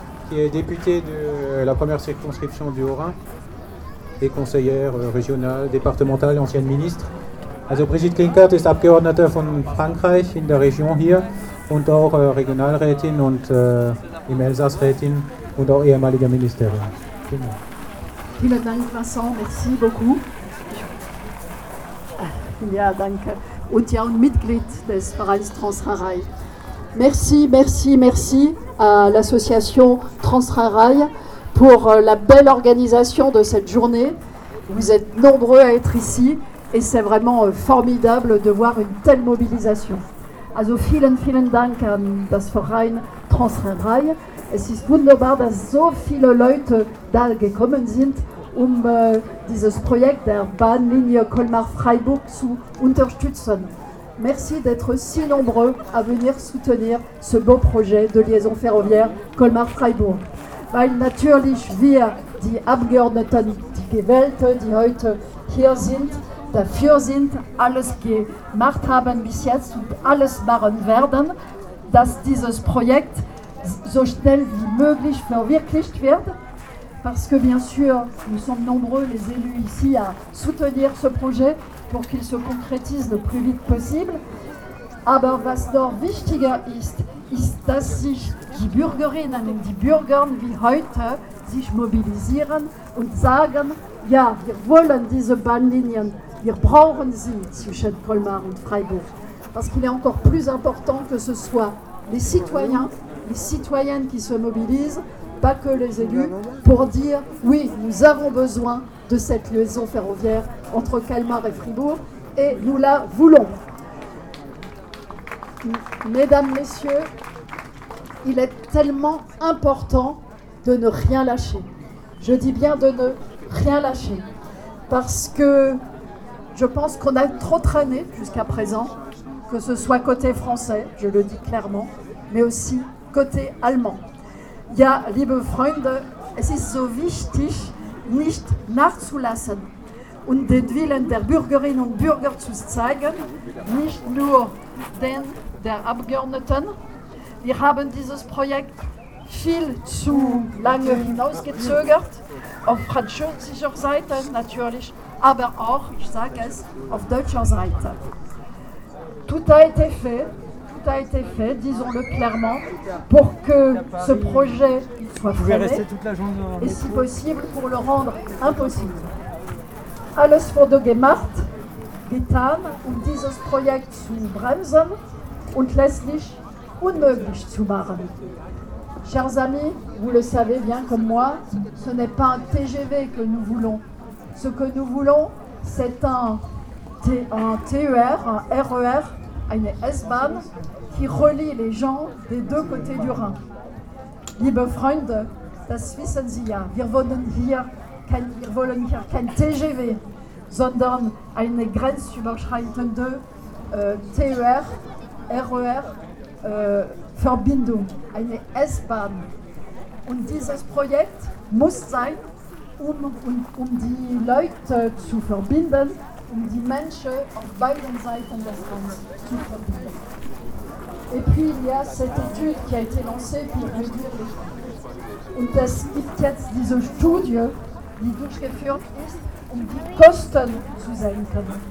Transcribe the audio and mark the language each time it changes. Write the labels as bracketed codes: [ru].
[fr] Qui est députée de la première circonscription du Haut-Rhin et conseillère régionale, départementale, ancienne ministre. [de] Also Brigitte Klinkert ist Abgeordnete von Frankreich in der Region hier und auch Regionalrätin und im Elsass Rätin und auch ehemalige Ministerin. Vielen Dank. Vielen Dank, Vincent. [fr] Merci beaucoup. [de] Ja, danke. Und ja, und Mitglied des Vereins Transrhin Rail. [fr] Merci à l'association Transrhin Rail pour la belle organisation de cette journée. Vous êtes nombreux à être ici et c'est vraiment formidable de voir une telle mobilisation. [de] Also vielen Dank an das Verein Transrhin Rail. Es ist wunderbar, dass so viele Leute da gekommen sind, um dieses Projekt der Bahnlinie Colmar-Freiburg zu unterstützen. [fr] Merci d'être si nombreux à venir soutenir ce beau projet de liaison ferroviaire Colmar-Freiburg. [de] Weil natürlich wir, die Abgeordneten, die gewählt, die heute hier sind, dafür sind, alles gemacht haben bis jetzt und alles machen werden, dass dieses Projekt so schnell wie möglich verwirklicht wird. [fr] Parce que bien sûr, nous sommes nombreux, les élus ici, à soutenir ce projet, pour qu'il se concrétise le plus vite possible. [de] Aber was noch wichtiger ist, ist, dass sich die Bürgerinnen und die Bürger wie heute sich mobilisieren und sagen, ja, wir wollen diese Bahnlinien, wir brauchen sie zwischen Colmar und Freiburg. [fr] Parce qu'il est encore plus important que ce soit les citoyens, les citoyennes qui se mobilisent, pas que les élus, pour dire oui, nous avons besoin de cette liaison ferroviaire entre Calmar et Fribourg et nous la voulons. Mesdames, Messieurs, il est tellement important de ne rien lâcher. Je dis bien de ne rien lâcher parce que je pense qu'on a trop traîné jusqu'à présent, que ce soit côté français, je le dis clairement, mais aussi côté allemand. [de] Ja, liebe Freunde, es ist so wichtig, nicht nachzulassen und den Willen der Bürgerinnen und Bürger zu zeigen, nicht nur den der Abgeordneten. Wir haben dieses Projekt viel zu lange hinausgezögert, auf französischer Seite natürlich, aber auch, ich sage es, auf deutscher Seite. [fr] Tout a été fait, disons-le clairement, pour que ce projet soit freiné et si possible pour le rendre impossible. [de] Alles wurde gemacht, getan, um dieses Projekt zu bremsen und letztlich unmöglich zu machen. [fr] Chers amis, vous le savez bien comme moi, ce n'est pas un TGV que nous voulons. Ce que nous voulons, c'est un RER, une S-Bahn, qui relie les gens des deux côtés du Rhin. [de] Liebe Freunde, das wissen Sie ja, wir wollen hier kein TGV, sondern eine grenzüberschreitende TER-RER-Verbindung, eine S-Bahn. Und dieses Projekt muss sein, um die Leute zu verbinden, um die Menschen auf beiden Seiten des Rheins zu verbinden. [fr] Et puis il y a cette étude qui a été lancée pour réduire les coûts. [de] Und es gibt jetzt diese Studie, die durchgeführt ist, um die Kosten zu senken.